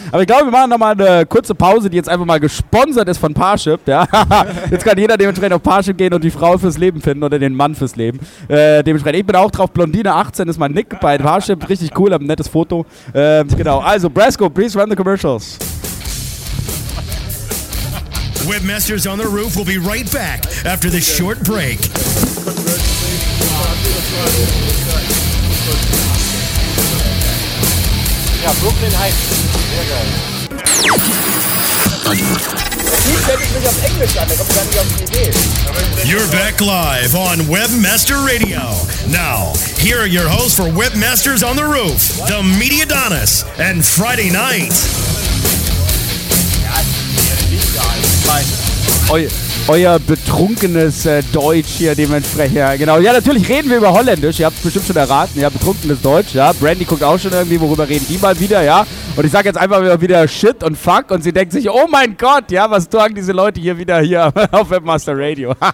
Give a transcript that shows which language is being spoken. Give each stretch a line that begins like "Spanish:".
German: Aber ich glaube, wir machen nochmal eine kurze Pause, die jetzt einfach mal gesponsert ist von Parship, ja, jetzt kann jeder dementsprechend auf Parship gehen und die Frau fürs Leben finden oder den Mann fürs Leben, dementsprechend, ich bin auch drauf, Blondine 18 ist mein Nick bei Parship, richtig cool, hab ein nettes Foto, also Brasco,
English: please run the commercials. Webmasters on the Roof will be right back after this short break.
German: Ja, Brooklyn Heights. Sehr geil.
English: You're back live on Webmaster Radio. Now, here are your hosts for Webmasters on the Roof, the Media Donis, and Friday Night.
German: Euer betrunkenes Deutsch hier dementsprechend. Ja, genau. Ja, natürlich reden wir über Holländisch. Ihr habt es bestimmt schon erraten. Ja, betrunkenes Deutsch. Ja, Brandy guckt auch schon irgendwie, worüber reden die mal wieder. Ja, und ich sage jetzt einfach wieder Shit und Fuck. Und sie denkt sich, oh mein Gott, ja, was tragen diese Leute hier wieder hier auf Webmaster Radio?